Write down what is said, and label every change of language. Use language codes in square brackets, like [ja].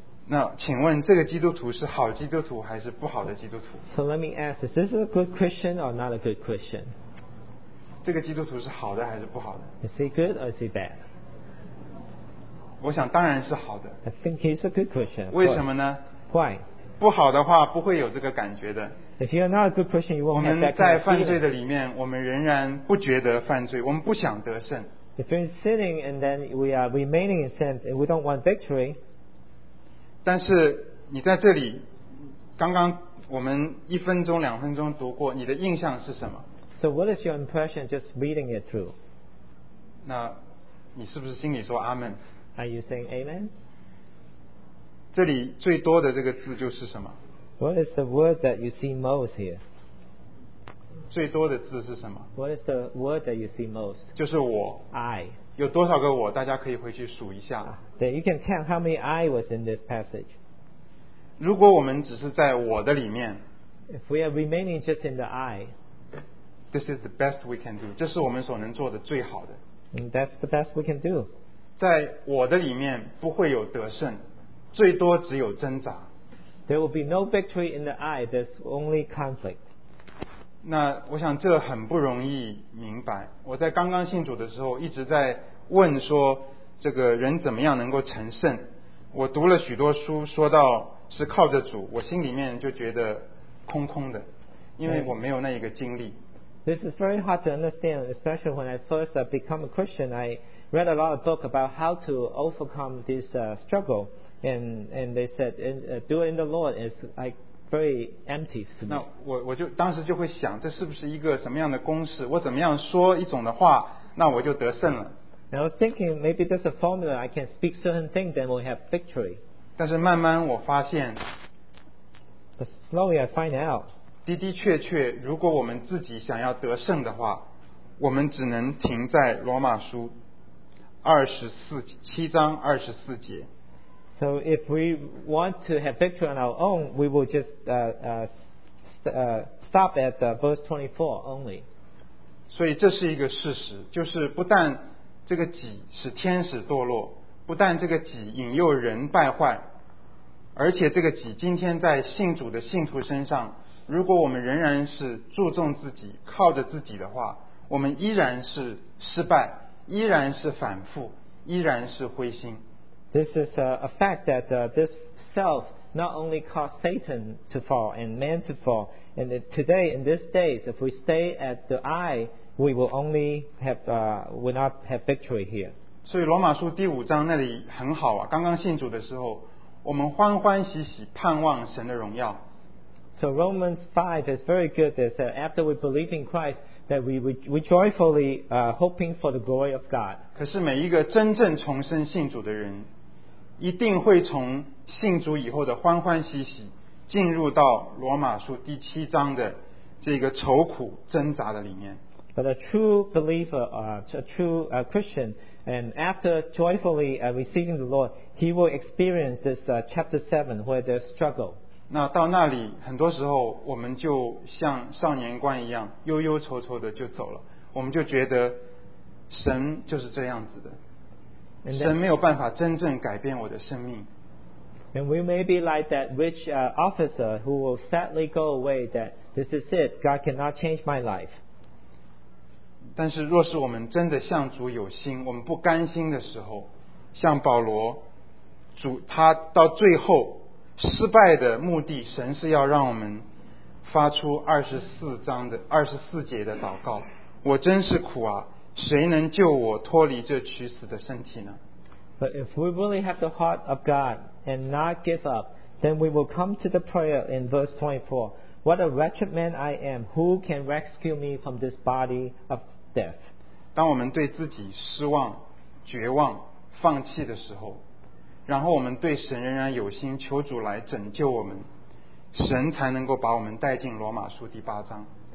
[zh] 那请问这个基督徒是好基督徒还是不好的基督徒？ [en] So let me ask, is this a good Christian or not a good Christian? [zh] 这个基督徒是好的还是不好的？ [en] Is he good or is he bad? [zh] 我想当然是好的。 [en] I think he's a good Christian. [zh] 为什么呢？ [en] Why? [zh] 不好的话不会有这个感觉的。 [en] If you're not a good Christian, you won't have that kind of feeling. [zh] 我们在犯罪的里面，我们仍然不觉得犯罪，我们不想得胜。 [en] If you're sinning and then we are remaining in sin and we don't want victory, [zh] 但是你在这里，刚刚我们一分钟、两分钟读过，你的印象是什么 [en] ？So what is your impression just reading it through? [zh] 那你是不是心里说阿门 [en] ？Are you saying amen? [zh] 这里最多的这个字就是什么 [en] ？What is the word that you see most here? [zh] 最多的字是什么 [en] ？What is the word that you see most? [zh] 就是我。 [en] I. [zh] 有多少个我？大家可以回去数一下。对 [en] ，You can count how many I was in this passage. [zh] 如果我们只是在我的里面 [en] ，If we are remaining just in the I, this is the best we can do. [zh] 这是我们所能做的最好的。 [en] And that's the best we can do. [zh] 在我的里面不会有得胜，最多只有挣扎。 [en] There will be no victory in the eye, there's only conflict. [zh] 那我想这很不容易明白。我在刚刚信主的时候一直在问说这个人怎么样能够成圣。我读了许多书说到是靠着主，我心里面就觉得空空的，因为我没有那一个经历。 [en] This is very hard to understand, especially when I first become a Christian. I read a lot of book about how to overcome this struggle, and they said do it in the Lord is like very empty to me. [zh] 那我就当时就会想，这是不是一个什么样的公式？我怎么样说一种的话，那我就得胜了。 [en] And I was thinking maybe there's a formula I can speak certain things, then we'll have victory. [zh] 但是慢慢我发现 [en] ，But slowly I find out. [zh] 的的确确，如果我们自己想要得胜的话，我们只能停在罗马书7:24。 [en] So if we want to have victory on our own, we will just stop at verse 24 only. [zh] 所以这是一个事实，就是不但这个己使天使堕落，不但这个己引诱人败坏，而且这个己今天在信主的信徒身上。如果我们仍然是注重自己靠着自己的话，我们依然是失败，依然是反复，依然是灰心。 [en] This is a fact that this self not only caused Satan to fall and man to fall, and today in these days if we stay at the eye, we will only have will not have victory here. [zh] 所以罗马书第五章那里很好啊，刚刚信主的时候我们欢欢喜喜盼望神的荣耀。 [en] So Romans 5 is very good. It says after we believe in Christ, that we joyfully hoping for the glory of God. [zh] 可是每一个真正重生信主的人，一定会从信主以后的欢欢喜喜，进入到罗马书第七章的这个愁苦挣扎的里面。 [en] But a true believer, a true Christian, and after joyfully receiving the Lord, he will experience this chapter 7 where there's struggle. [zh] 那到那里很多时候我们就像少年观一样忧忧愁愁的就走了，我们就觉得神就是这样子的，神没有办法真正改变我的生命。 [en] And we may be like that rich officer who will sadly go away, that this is it, God cannot change my life. [zh] 但是若是我们真的向主有心，我们不甘心的时候，像保罗，主他到最后失败的目的，神是要让我们发出24节的祷告。我真是苦啊，谁能救我脱离这取死的身体呢？ [en] But if we really have the heart of God and not give up, then we will come to the prayer in verse 24. What a wretched man I am, who can rescue me from this body of death? [zh] 当我们对自己失望、绝望、放弃的时候，然后我们对神仍然有心，求主来拯救我们，神才能够把我们带进罗马书第八章。